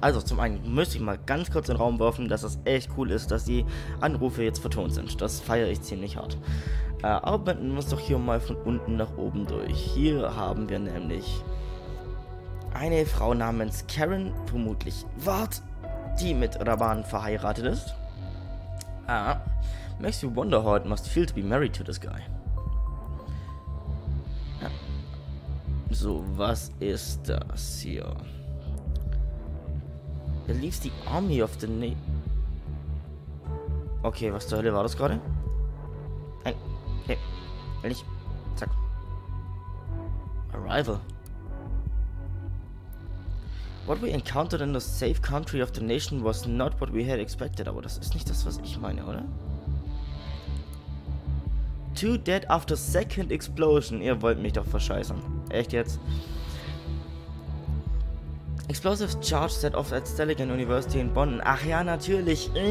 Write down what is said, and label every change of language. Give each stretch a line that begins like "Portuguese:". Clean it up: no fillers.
German: Also zum einen müsste ich mal ganz kurz in den Raum werfen, dass es echt cool ist, dass die Anrufe jetzt vertont sind. Das feiere ich ziemlich hart. Arbeiten muss doch hier mal von unten nach oben durch. Hier haben wir nämlich eine Frau namens Karen, vermutlich Ward, die mit Raban verheiratet ist.
English: Makes you wonder how it must feel to be married to this guy.
German: So, was ist das hier? Er lief die
English: Army of the Na...
German: Okay, was zur Hölle war das gerade? Nein. Okay. Will ich... Zack. Arrival.
English: What we encountered in the safe country of the nation was not what we had expected.
German: Aber das ist nicht das, was ich meine, oder?
English: Two dead after second explosion.
German: Ihr wollt mich doch verscheißen. Echt jetzt?
English: Explosive charge set off at Stelligan University in Bonn.
German: Ach ja, natürlich.